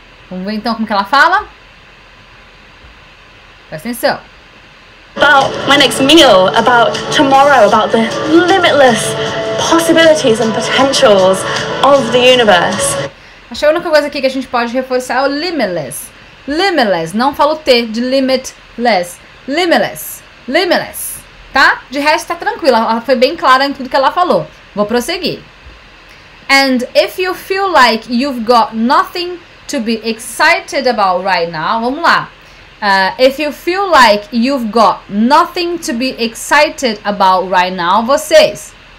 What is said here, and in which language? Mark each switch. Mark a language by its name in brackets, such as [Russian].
[Portuguese] Vamos ver, então, como que ela fala? Presta atenção. [English] About my next meal, about tomorrow, about the limitless possibilities and potentials of the universe. [Portuguese] Achei a única coisa aqui que a gente pode reforçar é o limitless. Limitless. Não falo T de limitless. Limitless. Limitless. Tá? De resto, tá tranquila. Ela foi bem clara em tudo que ela falou. Vou prosseguir. [English] And if you feel like you've got nothing to be excited about right now. [Portuguese] Vamos lá. [English] If you feel like you've got nothing to be excited about right now. [Portuguese] Vocês.